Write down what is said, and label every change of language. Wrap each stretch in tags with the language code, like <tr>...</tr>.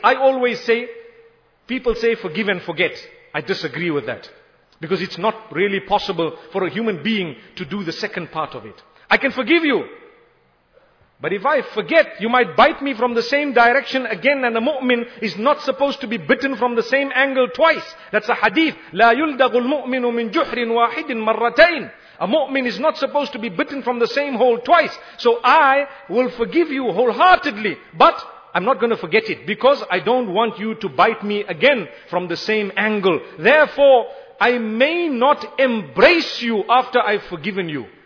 <en>I always say, people say forgive and forget. I disagree with that. Because it's not really possible for a human being to do the second part of it. I can forgive you. But if I forget, you might bite me from the same direction again. And a mu'min is not supposed to be bitten from the same angle twice. That's a hadith.</en> <ar>لا يلدغ المؤمن من جحر واحد مرتين.</ar> <en>A mu'min is not supposed to be bitten from the same hole twice. So I will forgive you wholeheartedly. But I'm not going to forget it. Because I don't want you to bite me again from the same angle. Therefore, I may not embrace you after I've forgiven you.</en>